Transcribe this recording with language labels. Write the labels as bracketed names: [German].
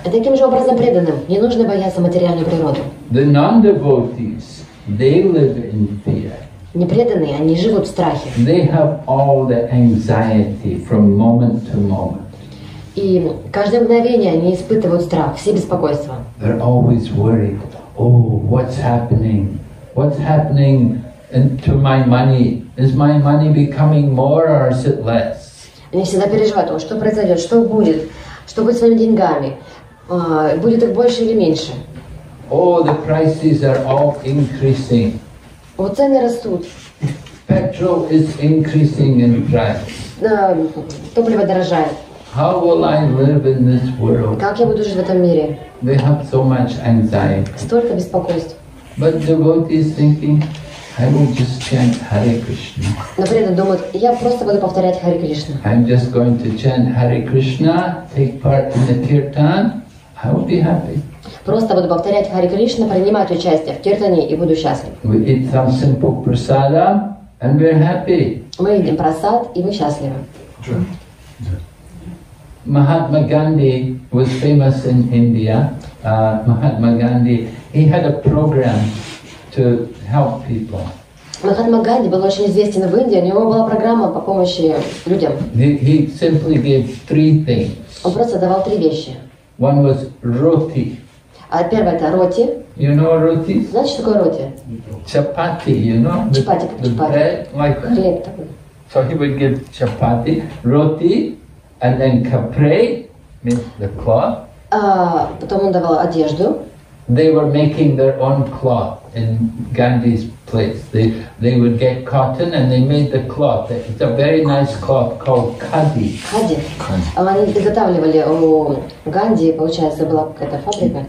[Russian] А таким же образом преданным не нужно бояться материальную природу. [English] The non-devotees, they live in fear. [Russian] Непреданные, они живут в страхе. [English] They have all the anxiety from moment to moment. [Russian] И каждое мгновение они испытывают страх, все беспокойства. [English] They're always worried. Oh, what's happening? What's happening to my money? Is my money becoming more or is it less? [Russian] Они всегда переживают, что произойдет, что будет с моими деньгами, будет их больше или меньше? [English] Oh, the prices are all increasing. [Russian] О, цены растут. [English] Petrol is increasing in price. [Russian] Топливо дорожает. [English] How will I live in this world? [Russian] Как я буду жить в этом мире? [English] They have so much anxiety. [Russian] Столько беспокойств. [English] But devotees thinking, I will just chant Hare Krishna. [Russian] Но преданные думают, я просто буду повторять Hare Krishna. [English] I'm just going to chant Hare Krishna, take part in the kirtan, I will be happy. [Russian] Просто буду повторять Hare Krishna, принимать участие в киртане и буду счастлив. [English] We eat some simple prasada and we're happy. [Russian] Мы едим прасад и мы счастливы. [English] Mahatma Gandhi was famous in India. Mahatma Gandhi, he had a program to help people. [Russian] Mahatma Gandhi был очень известен в Индии. У него была программа по помощи людям. [English] He simply gave three things. [Russian] Он просто давал три вещи. [English] One was roti. [Russian] А первое это роти. [English] You know roti? [Russian] Знаешь, что такое роти? [English] Chapati, you know? Chapati, chapati. Like [Russian] хлеб такой. [English] So he would give chapati, roti. And then kapri means the cloth. [Russian] Потом он давал одежду. [English] They were making their own cloth in Gandhi's place. They would get cotton and they made the cloth. It's a very nice cloth called khadi. Khadi. [Russian] Они изготавливали у Ганди, получается, была какая-то фабрика.